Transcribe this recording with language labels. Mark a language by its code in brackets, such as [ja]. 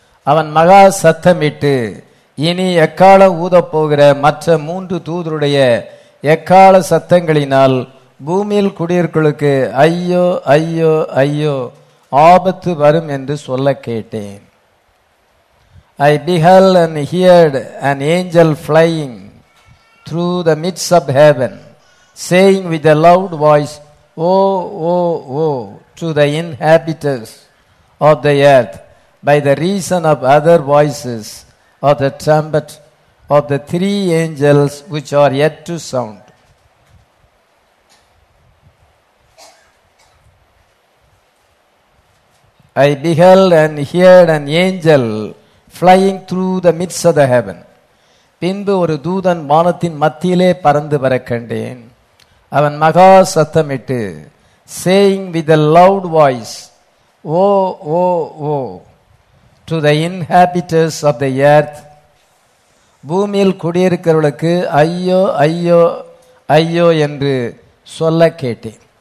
[ta] அவன் மகா சத்தமிட்டு, இனி எக்காலம் ஊத போகிற மற்ற மூன்று தூதருடைய எக்கால சத்தங்களினால் பூமியில் குடியிருக்களுக்கு ஐயோ ஐயோ ஐயோ ஆபத்து வரும் என்று சொல்ல கேட்டேன். [en] I beheld and heard an angel flying through the midst of heaven, saying with a loud voice, "Woe, woe, woe to the inhabitants of the earth by the reason of other voices of the trumpet of the three angels which are yet to sound." I beheld and heard an angel flying through the midst of the heaven. [ta] பின்பு ஒரு தூதன் வானத்தின் மத்தியிலே பறந்து வர கண்டேன். அவன் மகா சத்தமிட்டு, [en] saying with a loud voice, "Oh, oh, oh, to the inhabitants of the earth," [ta] பூமியில் குடியிருக்கிறவர்களுக்கு ஐயோ ஐயோ ஐயோ என்று சொல்ல கேட்டேன்.